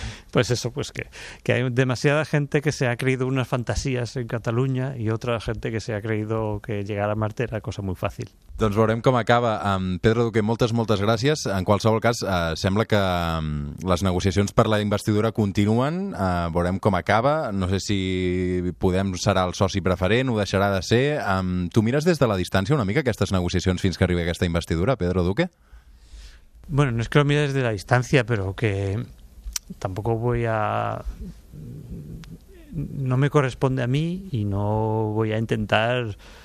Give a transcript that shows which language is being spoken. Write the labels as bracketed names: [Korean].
[Spanish] Pues eso, pues que hay demasiada gente que se ha creído unas fantasías en Cataluña y otra gente que se ha creído que llegar a Marte era cosa muy fácil. [Catalan] Doncs veurem com acaba. Pedro Duque, moltes, moltes gràcies. En qualsevol cas, sembla que les negociacions per la investidura continuen. Veurem com acaba. No sé si Podem serà el soci preferent, ho deixarà de ser. Tu mires des de la distància una mica aquestes negociacions fins que arribi aquesta investidura, Pedro Duque? [Spanish] Bueno, no es que lo mire desde la distancia, pero que tampoco voy a... No me corresponde a mí y no voy a intentar...